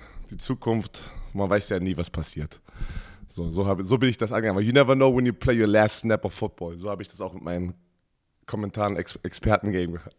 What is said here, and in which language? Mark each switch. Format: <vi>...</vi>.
<de>Die Zukunft, man weiß ja nie, was passiert. So bin ich das angegangen.</de> <en>You never know when you play your last snap of football.</en> <de>So habe ich das auch mit meinem Kommentaren Experten-Game gehört.</de>